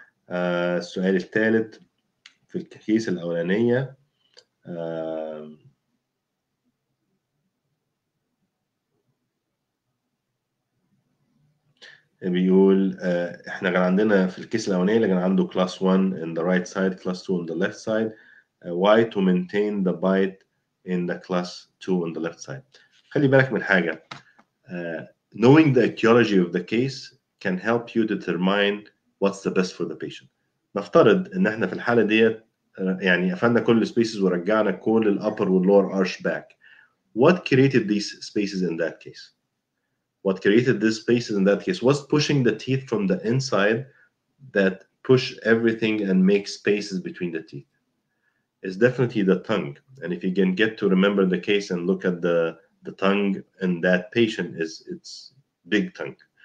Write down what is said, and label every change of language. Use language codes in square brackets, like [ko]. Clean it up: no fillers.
[ar] السؤال الثالث, في الكيس الأولانية بيقول احنا كان عندنا في الكيس الأولانية اللي كان عنده [en] class 1 in the right side, class 2 on the left side, why to maintain the bite in the class 2 on the left side. [ar] خلي بالك من حاجة, [en] knowing the etiology of the case can help you determine what's the best for the patient. [ar] نفترض ان احنا في الحاله ديت يعني قفلنا كل السبيسز ورجعنا كل الابر واللور ارش باك. [en] What created these spaces in that case? What created these spaces in that case? What's pushing the teeth from the inside that push everything and make spaces between the teeth? It's definitely the tongue. And if you can get to remember the case and look at the tongue in that patient, is it's big tongue.